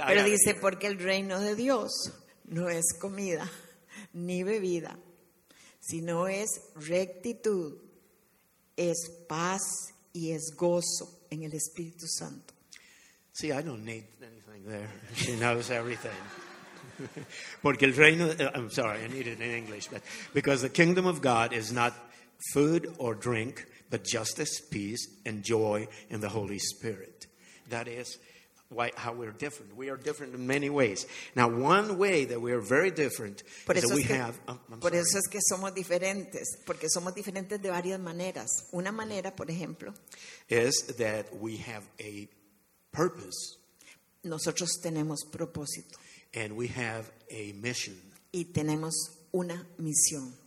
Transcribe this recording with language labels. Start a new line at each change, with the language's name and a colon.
Spanish: Pero dice, porque el reino de Dios no es comida ni bebida, sino es rectitud, es paz y es gozo en el Espíritu Santo.
English: See, I don't need anything there. She knows everything.
Spanish: Porque el reino,
English: I'm sorry, I need it in English, but because the kingdom of God is not food or drink, but justice, peace, and joy in the Holy Spirit. That is why how we're different. We are different in many ways. Now, one way that we are very different
Spanish: por
English: is that we
Spanish: que,
English: have. Por sorry.
Spanish: Eso es que somos diferentes, porque somos diferentes de varias maneras. Una manera, por ejemplo,
English: is that we have a purpose.
Spanish: Nosotros tenemos propósito.
English: And we have a mission.
Spanish: Y tenemos una misión.